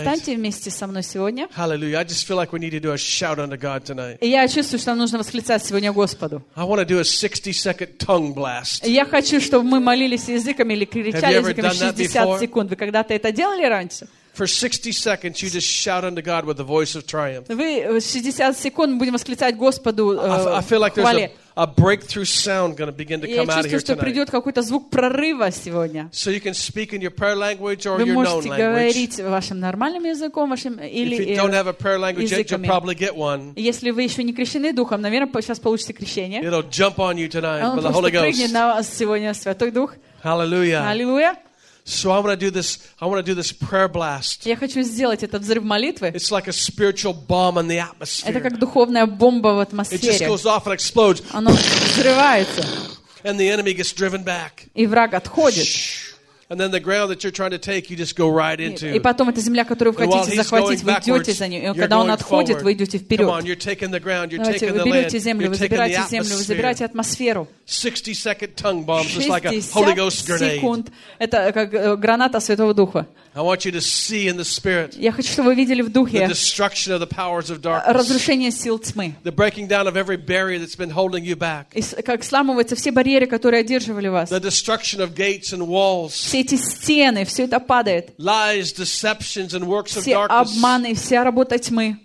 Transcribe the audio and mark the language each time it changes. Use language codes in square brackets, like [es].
[ru] Встаньте вместе со мной сегодня. [en] Hallelujah! I just feel like we need to do a shout unto God tonight. [ru] И я чувствую, что нам нужно восклицать сегодня Господу. [en] I want to do a 60-second tongue blast. [ru] Я хочу, чтобы мы молились языками или кричали языками 60 секунд. Вы когда-то это делали раньше? [en] For 60 seconds, you just shout unto God with the voice of triumph. [ru] Вы 60 секунд будем восклицать Господу. [en] I feel like there's a breakthrough sound going to begin to come out here tonight. [ru] Я чувствую, что придет какой-то звук прорыва сегодня. [en] So you can speak in your prayer language or your known language. [ru] Вы можете говорить вашим нормальным языком, вашим или языками. [en] If you don't have a prayer language yet, you'll probably get one. [ru] Если вы еще не крещены духом, наверное, сейчас получите крещение. [en] It'll jump on you tonight with the Holy Ghost. [ru] Он просто прыгнет на вас сегодня, Святой Дух. [en] Hallelujah. Hallelujah. So I want to do this. I want to do this prayer blast. [ru] Я хочу сделать этот взрыв молитвы. [en] It's like a spiritual bomb in the atmosphere. [ru] Это как духовная бомба в атмосфере. [en] It just goes off and explodes. [ru] Оно взрывается. [en] And the enemy gets driven back. [ru] И враг отходит. [en] And then the ground that you're trying to take, you just go right into. [ru] И потом эта земля, которую вы хотите захватить, вы идете за нее. И когда он отходит, вы идете вперед. [en] Come on, you're taking the ground. You're [ru] Давайте, [en] taking the land. [ru] Вы берете землю, вы забираете землю, вы забираете атмосферу. [en] 60-second tongue bomb, just like a Holy Ghost grenade. [ru] 60 секунд. Это как граната Святого Духа. [en] I want you to see in the spirit. [ru] Я хочу, чтобы вы видели в духе. [en] The destruction of the powers of darkness. [ru] Разрушение сил тьмы. [en] The breaking down of every barrier that's been holding you back. [ru] И как сломываются все барьеры, которые одерживали вас. [en] The destruction of gates and walls. [ru] Все эти стены, все это падает. [en] Lies, deceptions, and works [ru] все обманы, вся работа тьмы.